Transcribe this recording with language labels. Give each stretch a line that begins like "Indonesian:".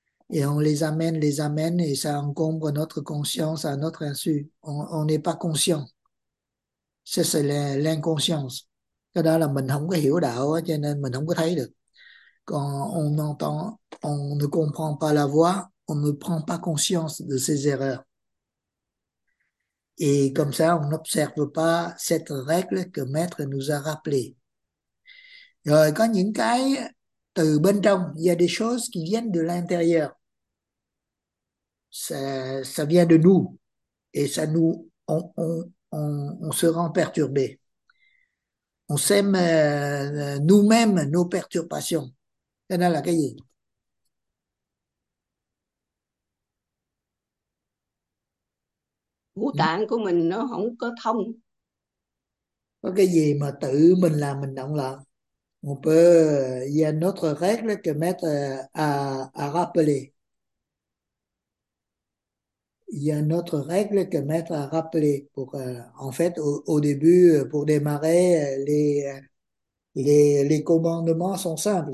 French: Et on les amène, et ça encombre notre conscience à notre insu. On n'est pas conscient. C'est l'inconscience.
Vietnamese: Cái đó là mình không có hiểu đạo, cho nên mình không có thấy được.
French: Còn on entend, on ne comprend pas la voix, on ne prend pas conscience de ses erreurs. Et comme ça, on n'observe pas cette règle que Maître nous a rappelée.
Vietnamese: Rồi, có những cái từ bên trong,
French: il y a des choses qui viennent de l'intérieur. Ça vient de nous et ça nous on se rend perturbé. On sème nous-mêmes nos perturbations. C'est dans la cahier.
Vietnamese: Ngũ tạng của mình nó không có thông. Có cái gì mà tự mình làm mình động loạn?
French: On peut, il y a une autre règle que Maître a rappelée. il y a une autre règle que maître a rappelée. En fait, au début, pour démarrer, les commandements sont simples.